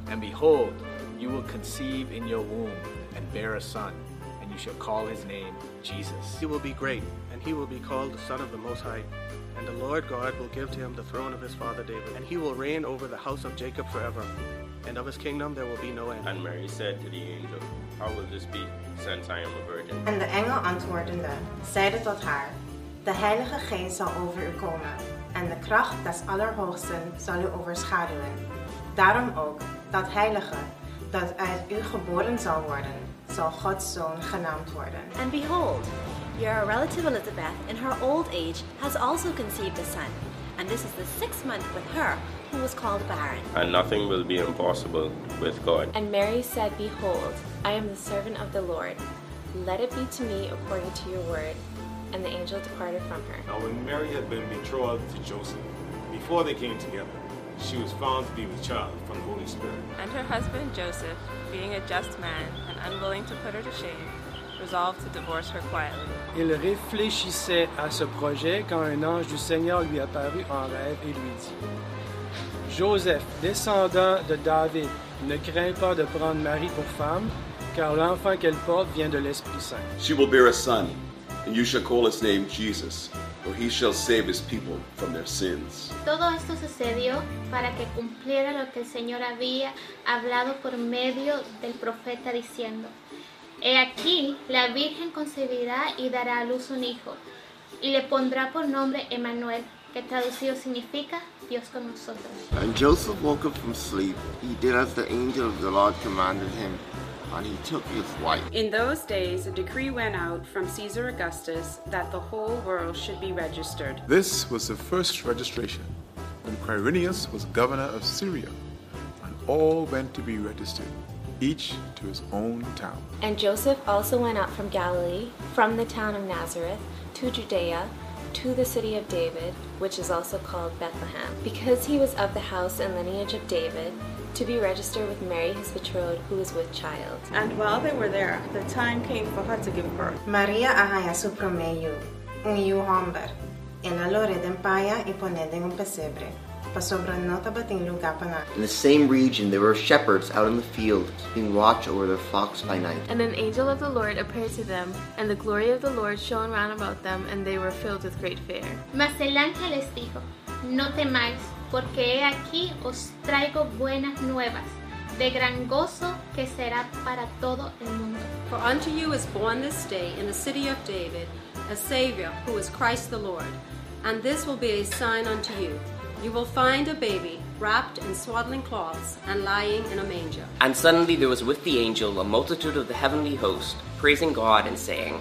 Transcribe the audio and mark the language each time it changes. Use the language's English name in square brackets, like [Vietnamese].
[English] And behold, you will conceive in your womb and bear a son, and you shall call his name Jesus. He will be great, and he will be called the Son of the Most High. And the Lord God will give to him the throne of his father David, and he will reign over the house of Jacob forever, and of his kingdom there will be no end. And Mary said to the angel, How will this be, since I am a virgin? And the angel [Dutch] antwoordende, zeide tot haar, De Heilige Geest zal over u komen, en de kracht des Allerhoogsten zal u overschaduwen. Daarom ook, dat Heilige, dat uit u geboren zal worden, zal Gods Zoon genaamd worden. [English] And behold, your relative Elizabeth, in her old age, has also conceived a son. And this is the sixth month with her, who was called barren. And nothing will be impossible with God. And Mary said, Behold, I am the servant of the Lord. Let it be to me according to your word. And the angel departed from her. Now when Mary had been betrothed to Joseph, before they came together, she was found to be with child from the Holy Spirit. And her husband Joseph, being a just man and unwilling to put her to shame, resolved to divorce her quietly. [French] Il réfléchissait à ce projet quand un ange du Seigneur lui apparut en rêve et lui dit, Joseph, descendant de David, ne crains pas de prendre Marie pour femme, car l'enfant qu'elle porte vient de l'Esprit Saint. [English] She will bear a son, and you shall call his name Jesus, for he shall save his people from their sins. [Spanish] Todo esto sucedió para que cumpliera lo que el Señor había hablado por medio del profeta diciendo, He aquí, la Virgen concebirá y dará a luz un hijo, y le pondrá por nombre Emmanuel, que traducido significa Dios con nosotros. [English] And Joseph woke up from sleep. He did as the angel of the Lord commanded him, and he took his wife. In those days, a decree went out from Caesar Augustus that the whole world should be registered. This was the first registration when Quirinius was governor of Syria, and all went to be registered. Each to his own town. And Joseph also went up from Galilee, from the town of Nazareth, to Judea, to the city of David, which is also called Bethlehem, because he was of the house and lineage of David, to be registered with Mary his betrothed, who was with child. And while they were there, the time came for her to give birth. Maria ahaya supromeyu, un iu homber, en alore den paia y ponedem un pesebre. In the same region, there were shepherds out in the field, keeping watch over their flocks by night. And an angel of the Lord appeared to them, and the glory of the Lord shone round about them, and they were filled with great fear. [Spanish] Mas el ángel les dijo, No temáis, porque he aquí os traigo buenas nuevas, de gran gozo que será para todo el mundo. [English] For unto you is born this day in the city of David a Savior, who is Christ the Lord. And this will be a sign unto you. You will find a baby wrapped in swaddling cloths and lying in a manger. And suddenly there was with the angel a multitude of the heavenly host, praising God and saying,